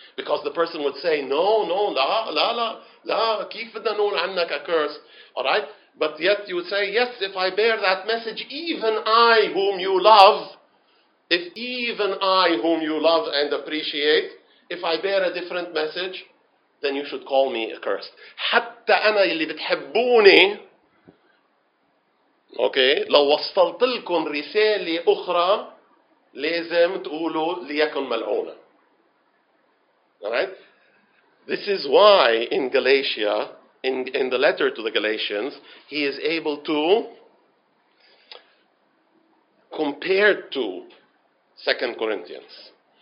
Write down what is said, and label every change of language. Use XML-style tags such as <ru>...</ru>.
<en>Because the person would say, no, la, la, la, la,</en> <ar>كيف بدنا نقول عنك</ar> <en>accursed? All right? But yet you would say, yes, if I bear that message, even I whom you love and appreciate, if I bear a different message, then you should call me accursed.</en> <ar>حتى أنا اللي بتحبوني, okay, لو وصلت لكم رسالة أخرى, لازم تقولوا ليكن ملعونة.</ar> <en>Alright? This is why in Galatia, in the letter to the Galatians, he is able to compare to 2 Corinthians.</en>